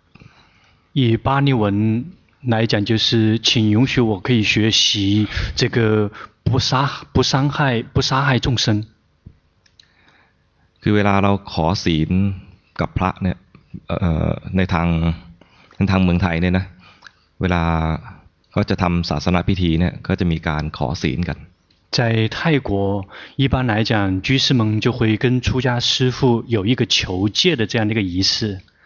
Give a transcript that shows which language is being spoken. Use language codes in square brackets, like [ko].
[zh] 以巴利文来讲就是请允许我可以学习这个不伤害众生 [th] คือเวลาเราขอศีลกับพระเนี่ยในทางเมืองไทยเนี่ยนะเวลาเขาจะทำศาสนพิธีเนี่ยก็จะมีการขอศีลกัน [zh] 在泰国一般来讲居士们就会跟出家师父有一个求戒的这样的一个仪式